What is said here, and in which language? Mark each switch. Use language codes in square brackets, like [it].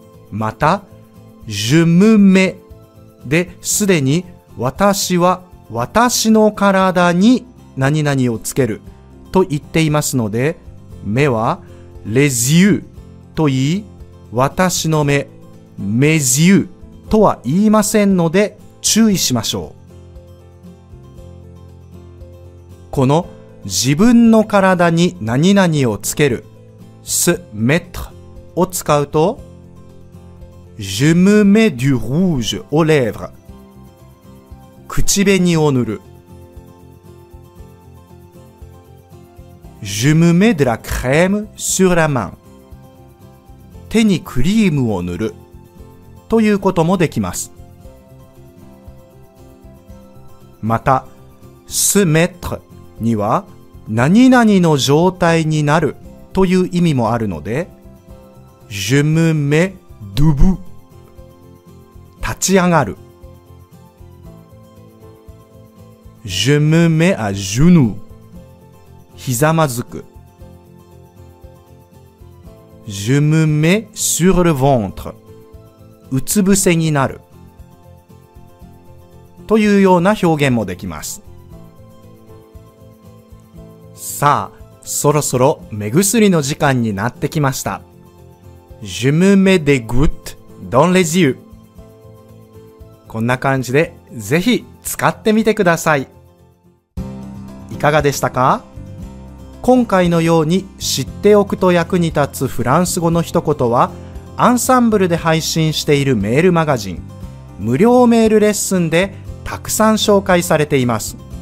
[ja] また、 [fr] je me mets [ja] で、すでに私は私の体に何々をつけると言っていますので、目は [fr] les yeux [ja] と言い、私の目、 [fr] mes yeux [ja] とは言いませんので注意しましょう。この自分の体に何々をつける、 [fr] se mettre [ja] を使うと、 [fr] Je me mets du rouge aux lèvres。 [ja] 口紅を塗る。 [fr] Je me mets de la crème sur la main。 [ja] 手にクリームを塗るということもできます。また [fr] se mettre [ja] には何々の状態になるという意味もあるので、 [fr] Je me mets debout、 [ja] 立ち上がる。 [fr] Je me mets à genoux、 [ja] ひざまずく。 [fr] Je me mets sur le ventre、 [ja] うつ伏せになる。というような表現もできます。さあそろそろ目薬の時間になってきました。 [fr] Je me mets des gouttes dans les yeux。 [ja] こんな感じでぜひ使ってみてください。いかがでしたか？今回のように知っておくと役に立つフランス語の一言は、アンサンブルで配信しているメールマガジン無料メールレッスンでたくさん紹介されています。